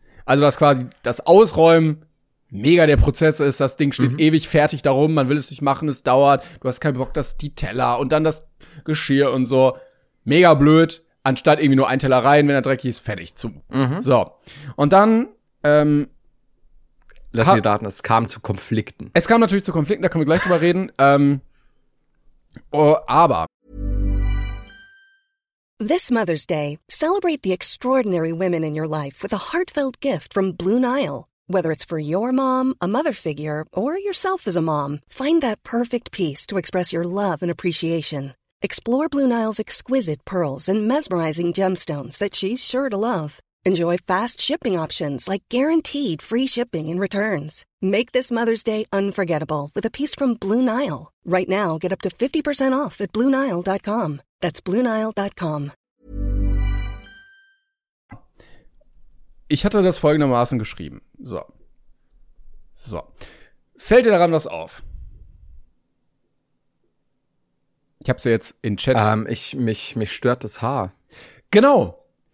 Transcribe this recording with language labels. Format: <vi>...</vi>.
<de>Also dass quasi das Ausräumen mega der Prozess ist, das Ding steht ewig fertig darum, man will es nicht machen, es dauert, du hast keinen Bock, dass die Teller und dann das Geschirr und so. Mega blöd, anstatt irgendwie nur einen Teller rein, wenn er dreckig ist, fertig zu. Mhm. So. Und dann, lass mir Daten, es kam zu Konflikten. Es kam natürlich zu Konflikten, da können wir gleich drüber reden. Aber.</de> <en>This Mother's Day, celebrate the extraordinary women in your life with a heartfelt gift from Blue Nile. Whether it's for your mom, a mother figure, or yourself as a mom, find that perfect piece to express your love and appreciation. Explore Blue Nile's exquisite pearls and mesmerizing gemstones that she's sure to love. Enjoy fast shipping options like guaranteed free shipping and returns. Make this Mother's Day unforgettable with a piece from Blue Nile. Right now, get up to 50% off at BlueNile.com. That's BlueNile.com.</en> <de>Ich hatte das folgendermaßen geschrieben. So. Fällt dir daran was auf? Ich hab's ja jetzt in Chat. Mich stört das Haar. Genau.</de>